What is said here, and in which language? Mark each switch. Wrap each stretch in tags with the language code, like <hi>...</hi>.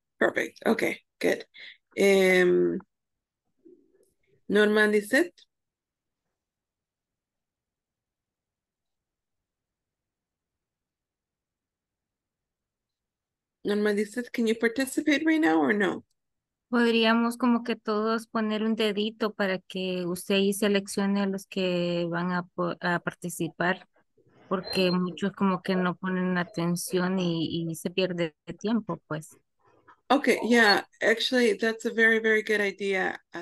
<en>Perfect. Okay. Good. Norman, is it? Normally said, can you participate right now or no?</en> <es>Podríamos como que todos poner un dedito para que usted y seleccione a los que van a participar, porque muchos como que no ponen atención y se pierde tiempo, pues.</es> <en>Okay, yeah, actually, that's a very, very good idea.</en>